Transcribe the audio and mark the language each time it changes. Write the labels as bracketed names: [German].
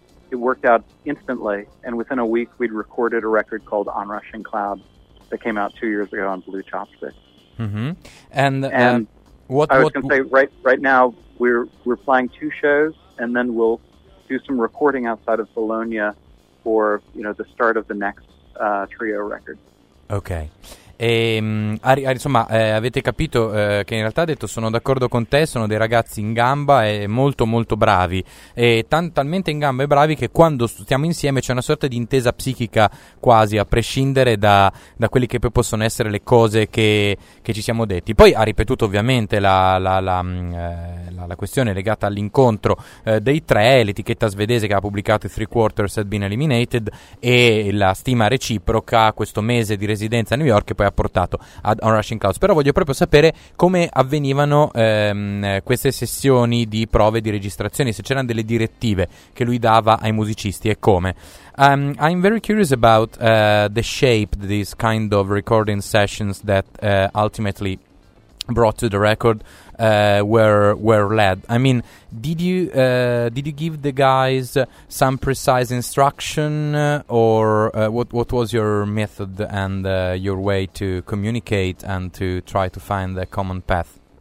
[English] It worked out instantly. And within a week, we'd recorded a record called Onrushing Cloud that came out 2 years ago on Blue Chopstick. Mm-hmm. And I was going to say, right now, we're playing two shows, and then we'll do some recording outside of Bologna for, you know, the start of the next trio record. Okay. [Italian] E, insomma, avete capito che in realtà ha detto sono d'accordo con te, sono dei ragazzi in gamba e molto molto bravi e talmente in gamba e bravi che quando stiamo insieme c'è una sorta di intesa psichica quasi a prescindere da quelli che poi possono essere le cose che ci siamo detti. Poi ha ripetuto ovviamente la questione legata all'incontro dei tre, l'etichetta svedese che ha pubblicato Three Quarters Had Been Eliminated e la stima reciproca, questo mese di residenza a New York che poi ha portato ad Onrushing Clouds. Però voglio proprio sapere come avvenivano queste sessioni di prove di registrazione, se c'erano delle direttive che lui dava ai musicisti e come. [English] I'm very curious about the shape these kind of recording sessions that ultimately brought to the record were led. I mean, did you give the guys some precise instruction, or what was your method and your way to communicate and to try to find the common path?